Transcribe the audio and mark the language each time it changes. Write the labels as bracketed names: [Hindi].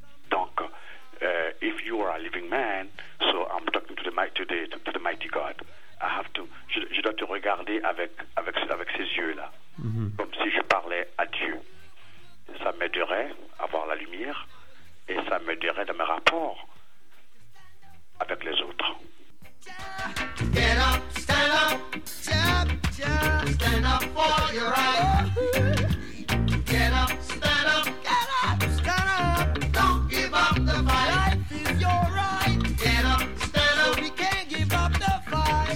[English] Donc, if you are a living man, so I'm talking to the mighty God. I have to, [French] je dois te regarder avec ces yeux-là, comme si je parlais à Dieu. Ça m'aiderait à voir la lumière. Et ça me dirait dans mes rapports avec les autres. [English] Get up, stand up, jump, jump, stand up for your right. Get up, stand up, get up, stand up. Don't give up the fight. Life is your right. Get up, stand up. So we can't give up the fight.